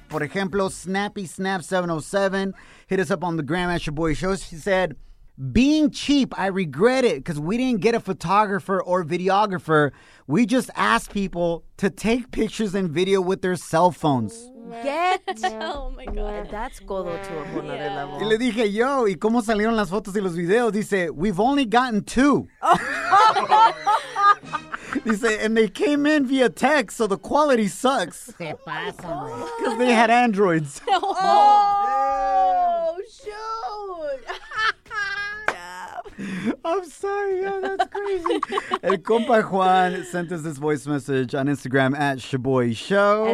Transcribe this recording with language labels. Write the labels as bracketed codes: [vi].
[es] Por ejemplo, [en] Snappy Snap 707 hit us up on the gram at Shaboy Show. She said, being cheap, I regret it because we didn't get a photographer or videographer. We just asked people to take pictures and video with their cell phones. Get. Oh my God. That's codo to another level. [es] Y le dije, yo, ¿y cómo salieron las fotos y los videos? [en] Dice, we've only gotten two. Dice, and they came in via text, so the quality sucks. [es] Se pasa, man. [en] Because they had Androids. Oh, shoot. I'm sorry, yeah, that's crazy. El compa Juan sent us this voice message on Instagram at Shaboy Show.